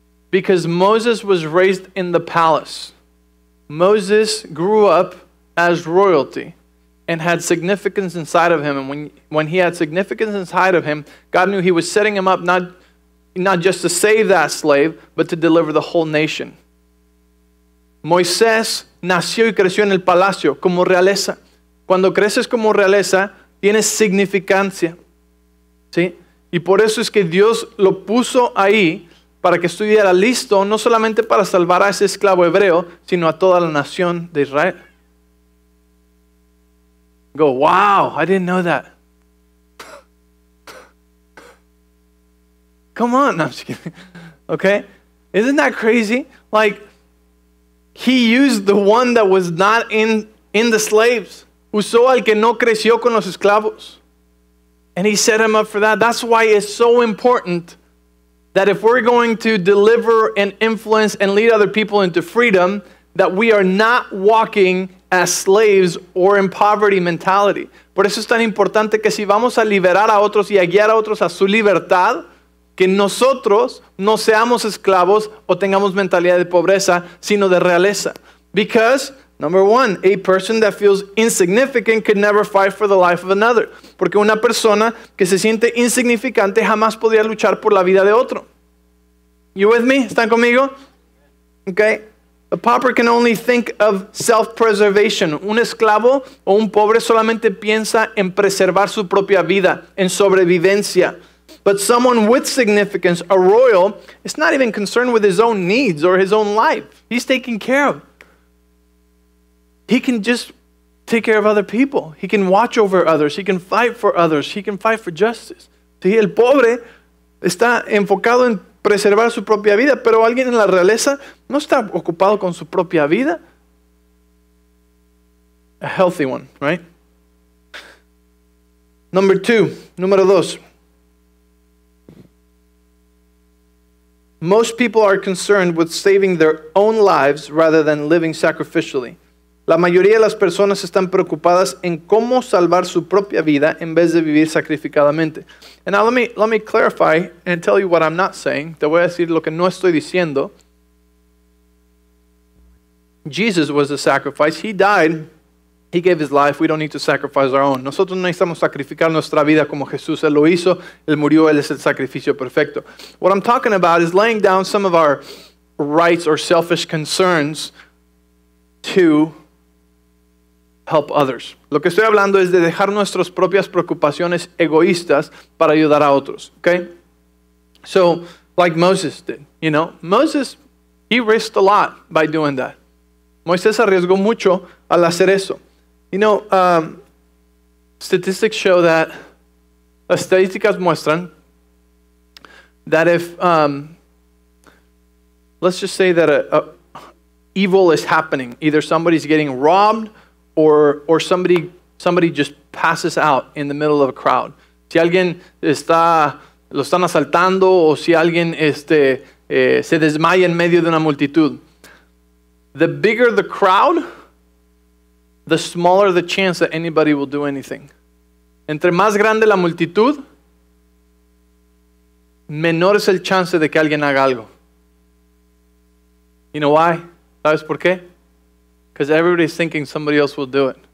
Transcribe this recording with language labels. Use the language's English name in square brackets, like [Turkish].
[English] Because Moses was raised in the palace. Moses grew up as royalty and had significance inside of him. And when he had significance inside of him, God knew he was setting him up not just to save that slave, but to deliver the whole nation. [Spanish] Moisés nació y creció en el palacio como realeza. Cuando creces como realeza, tienes significancia. ¿Sí? Y por eso es que Dios lo puso ahí para que estuviera listo, no solamente para salvar a ese esclavo hebreo, sino a toda la nación de Israel. [English] Go, wow, I didn't know that. Come on, no, I'm just kidding. Okay? Isn't that crazy? Like, he used the one that was not in the slaves. [Spanish] Usó al que no creció con los esclavos. [English] And he set him up for that. That's why it's so important that if we're going to deliver and influence and lead other people into freedom, that we are not walking as slaves or in poverty mentality. [Spanish] Por eso es tan importante que si vamos a liberar a otros y a guiar a otros a su libertad, que nosotros no seamos esclavos o tengamos mentalidad de pobreza, sino de realeza. [English] Because, number one, a person that feels insignificant could never fight for the life of another. [Spanish] Porque una persona que se siente insignificante jamás podría luchar por la vida de otro. [English] You with me? [Spanish] ¿Están conmigo? [English] Okay. A pauper can only think of self-preservation. [Spanish] Un esclavo o un pobre solamente piensa en preservar su propia vida, en sobrevivencia. [English] But someone with significance, a royal, is not even concerned with his own needs or his own life. He's taken care of. He can just take care of other people. He can watch over others. He can fight for others. He can fight for justice. [Spanish] Sí, el pobre está enfocado en preservar su propia vida, pero alguien en la realeza no está ocupado con su propia vida. [English] A healthy one, right? Number two, [Spanish] número dos. [English] Most people are concerned with saving their own lives rather than living sacrificially. [Spanish] La mayoría de las personas están preocupadas en cómo salvar su propia vida en vez de vivir sacrificadamente. [English] And now let me clarify and tell you what I'm not saying. [Spanish] Te voy a decir lo que no estoy diciendo. [English] Jesus was a sacrifice. He died. He gave his life. We don't need to sacrifice our own. [Spanish] Nosotros no necesitamos sacrificar nuestra vida como Jesús. Él lo hizo. Él murió. Él es el sacrificio perfecto. [English] What I'm talking about is laying down some of our rights or selfish concerns to help others. [Spanish] Lo que estoy hablando es de dejar nuestras propias preocupaciones egoístas para ayudar a otros. [English] Okay? So, like Moses did. You know, Moses, he risked a lot by doing that. [Spanish] Moisés arriesgó mucho al hacer eso. [English] You know, statistics show that, [Spanish] estadísticas muestran [English] that if, let's just say that a evil is happening, either somebody's getting robbed or somebody just passes out in the middle of a crowd. [Spanish] Si alguien está, lo están asaltando o si alguien se desmaya en medio de una multitud. [English] The bigger the crowd, the smaller the chance that anybody will do anything. [Spanish] Entre más grande la multitud, menor es el chance de que alguien haga algo. [English] You know why? [Spanish] ¿Sabes por qué? [English] Because everybody's thinking somebody else will do it.